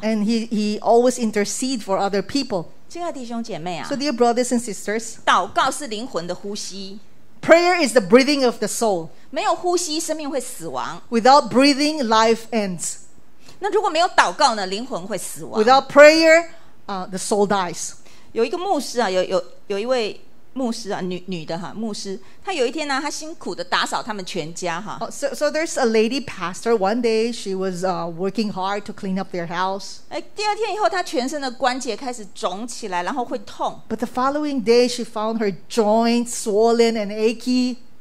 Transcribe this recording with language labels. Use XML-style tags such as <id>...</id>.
<en>and he always intercedes for other people.</en> <zh>亲爱弟兄姐妹啊,</zh> <en>so dear brothers and sisters,</en> <zh>祷告是灵魂的呼吸。</zh> <en>Prayer is the breathing of the soul.</en> <zh>没有呼吸, 生命会死亡。</zh> <en>Without breathing, life ends.</en> <zh>那如果没有祷告呢, 灵魂会死亡。</zh> <en>Without prayer, the soul dies.</en> <zh>有一个牧师啊, 有一位 牧师啊，女的哈，牧师，她有一天呢，她辛苦的打扫他们全家哈。</zh> <en>Oh, so there's a lady pastor. One day she was working hard to clean up their house.</en> <zh>哎，第二天以后，她全身的关节开始肿起来，然后会痛。</zh> <en>But the following day, she found her joints swollen and achy.</en>